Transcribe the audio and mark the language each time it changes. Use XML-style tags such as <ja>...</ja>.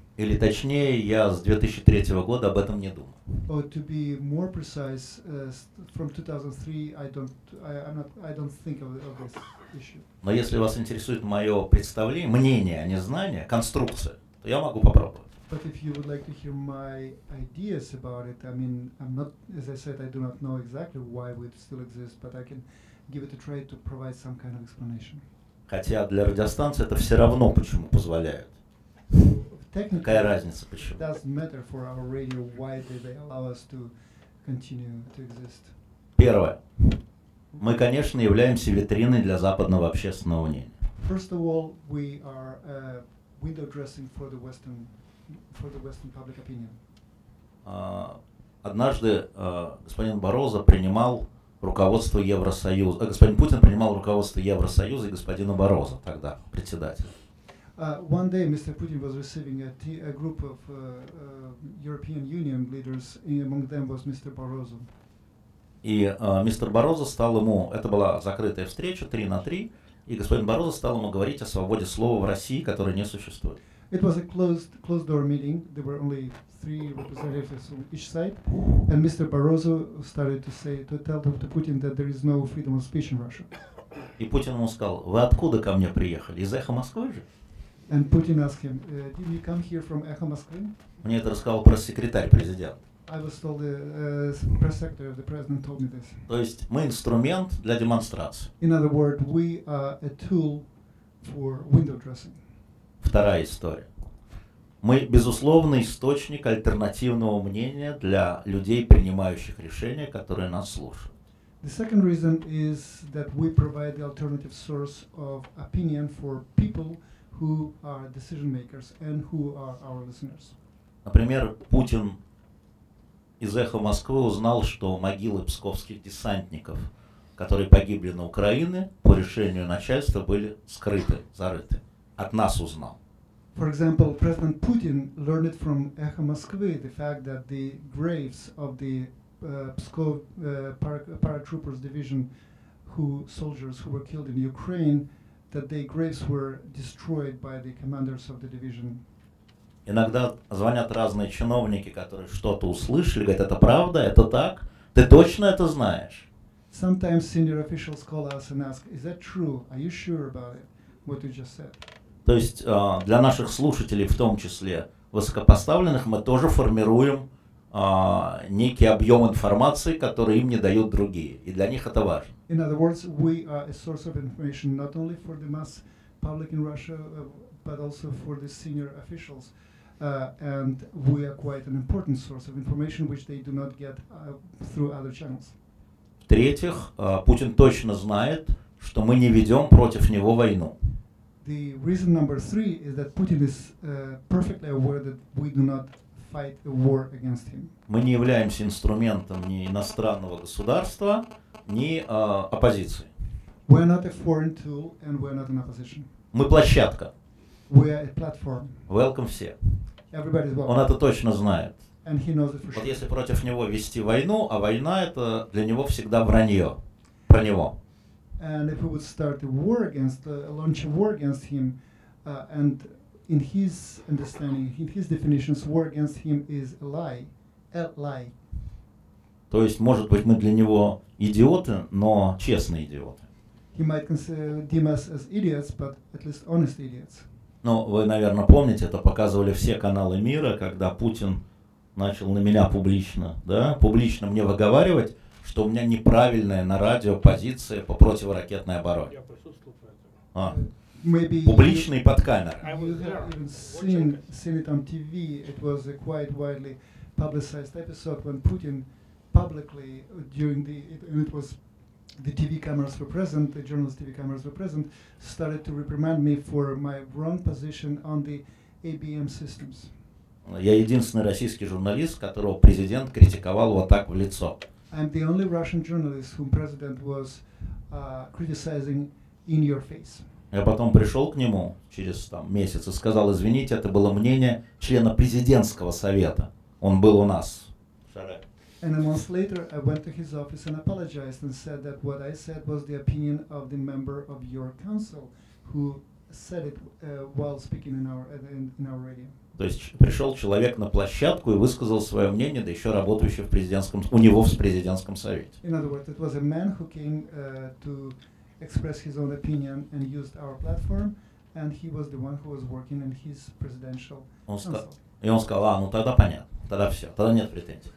<ru>Или точнее, я с 2003 года об этом не думал.</ru> <en>Or to be more precise, from 2003, I don't think of this issue.</en> <ru>Но если вас интересует мое представление, мнение, а не знание, конструкция, то я могу попробовать.</ru> <en>But if you would like to hear my ideas about it, I mean, I'm not, as I said, I do not know exactly why we still exist, but I can give it a try to provide some kind of explanation.</en> <ru>Хотя для радиостанции это все равно почему позволяют. Какая разница почему?</ru> <en>Doesn't matter for our radio why they allow us to continue to exist.</en> <ru>Первое. Мы, конечно, являемся витриной для западного общественного мнения.</ru> <en>First of all, we are a window dressing for the Western public opinion.</en> <ru>Однажды господин Бароза принимал руководство Евросоюза. Господин Путин принимал руководство Евросоюза и господина Бароза тогда, председателя.</ru> <en>One day Mr. Putin was receiving a group of European Union leaders, and among them was Mr. Barroso.</en> <ru>И мистер Бароза стал ему, это была закрытая встреча, 3-3, и господин Бароза стал ему говорить о свободе слова в России, которая не существует.</ru> <en>It was a closed door meeting. There were only three representatives on each side, and Mr. Barroso started to say to tell them to Putin that there is no freedom of speech in Russia.</en> <ru>И Путин ему сказал: вы откуда ко мне приехали? Из Эхо Москвы же?</ru> <en>And Putin asked him, did you come here from Echo Moscow?</en> <ru>Мне это рассказал пресс-секретарь президента.</ru> <en>I was told the press secretary of the president told me this.</en> <ru>То есть мы инструмент для демонстрации.</ru> <en>In other words, we are a tool for window dressing.</en> <ru>Вторая история. Мы, безусловно, источник альтернативного мнения для людей, принимающих решения, которые нас слушают.</ru> <en>The second reason is that we provide the alternative source of opinion for people who are decision makers and who are our listeners.</en> <ru>Например, Путин из Эхо Москвы узнал, что могилы псковских десантников, которые погибли на Украине, по решению начальства были скрыты, зарыты. От нас узнал.</ru> <en>For example, President Putin learned from Echo Moscow the fact that the graves of the Pskov paratroopers division, soldiers who were killed in Ukraine, that the graves were destroyed by the commanders of the division.</en> <ru>Иногда звонят разные чиновники, которые что-то услышали, говорят: это правда, это так, ты точно это знаешь?</ru> <en>Sometimes senior officials call us and ask, is that true? Are you sure about it? What you just said?</en> <ru>То есть для наших слушателей, в том числе высокопоставленных, мы тоже формируем некий объем информации, который им не дают другие. И для них это важно.</ru> <en>In other words, we are a source of information not only for the mass public in Russia, but also for the senior officials. And we are quite an important source of information, which they do not get through other channels.</en> <ru>В-третьих, Путин точно знает, что мы не ведем против него войну.</ru> <en>The reason number three is that Putin is perfectly aware that we do not fight a war against him.</en> <ru>Мы не являемся инструментом ни иностранного государства, ни оппозиции.</ru> <en>We are not a foreign tool and we are not an opposition.</en> <ru>Мы площадка.</ru> <en>We are a platform.</en> <ru>Welcome все.</ru> <en>Everybody is welcome.</en> <ru>Он это точно знает.</ru> <en>and he knows it for</en> <ru>вот</ru> <en>sure.</en> <ru>Если против него вести войну, а война это для него всегда вранье, про него.</ru> <en>And if we would start a war against, launch a war against him, and in his understanding, in his definitions, war against him is a lie.</en> <ru>То есть, может быть, мы для него идиоты, но честные идиоты.</ru> <en>He might deem us as idiots, but at least honest idiots.</en> <ru>Но вы, наверное, помните, это показывали все каналы мира, когда Путин начал на меня публично, да, публично мне выговаривать, что у меня неправильная на радио позиция по противоракетной обороне. Я присутствовал на этом. Публичный под камерой.</ru> <en>I was there. Seen it on TV. It was a quite widely publicized episode when Putin publicly during the it was the TV cameras were present, the journalist TV cameras were present, started to reprimand me for my wrong position on the ABM systems.</en> <ru>Я единственный российский журналист, которого президент критиковал вот так в лицо.</ru> <en>I'm the only Russian journalist whom president was criticizing in your face.</en> <ru>Я потом пришел к нему через там месяц и сказал, извините, это было мнение члена президентского совета. Он был у нас.</ru> <en>And a month later, I went to his office and apologized and said that what I said was the opinion of the member of your council who said it while speaking in our radio.</en> <ru>То есть пришел человек на площадку и высказал свое мнение, да еще работающий в президентском, у него в президентском совете.</ru> <en>In other words, it was a man who came to express his own opinion and used our platform, and he was the one who was working in his presidential council.</en> <ru>И он сказал, а, ну тогда понятно. Тогда все, тогда нет претензий.</ru>